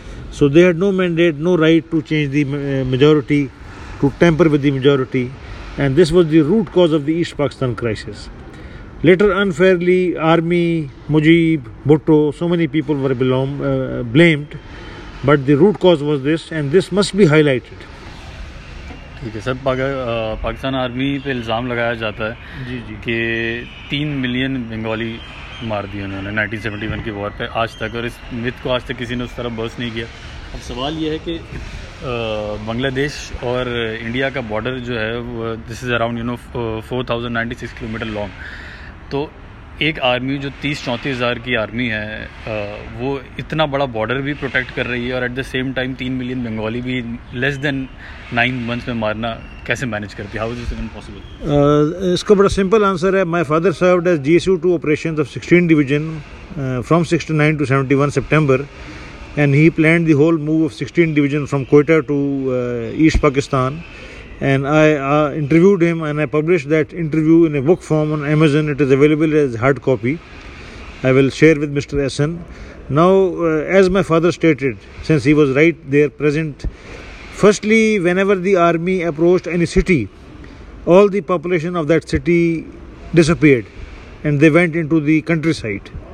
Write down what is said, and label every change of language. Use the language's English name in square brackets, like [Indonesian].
[English] So they had no mandate, no right to change the majority, to tamper with the majority. And this was the root cause of the East Pakistan crisis. Later, unfairly, army, Mujib, Bhutto, so many people were blamed. But the root cause was this, and this must be highlighted. [Hindi] ठीक है sir. Pakistan army पे इल्ज़ाम लगाया जाता है जी जी कि 3 million Bengali मार दिए उन्होंने 1971 की वॉर पे आज तक, और इस मिथ को आज तक किसी ने उस तरफ बर्स नहीं किया. अब सवाल ये है कि बांग्लादेश और इंडिया का बॉर्डर जो है वो [English] this is around 4096 kilometre long, [Hindi] तो एक आर्मी जो 30-34 हज़ार की आर्मी है वो इतना बड़ा बॉर्डर भी प्रोटेक्ट कर रही है और [English] at the same time [Hindi] 3 million Bengali भी [English] less than 9 months [Hindi] में मारना कैसे मैनेज करती है? [English] How is it possible? [Hindi] इसका बड़ा सिंपल आंसर है. [English] My father served as GSU 2 operation of 16 division from 69 to 71 September, and he planned the whole move of 16 division from Quetta to east Pakistan. And I interviewed him and I published that interview in a book form on Amazon. It is available as hard copy. I will share with Mr. Ehsan. Now, as my father stated, since he was right there present, firstly, whenever the army approached any city, all the population of that city disappeared and they went into the countryside.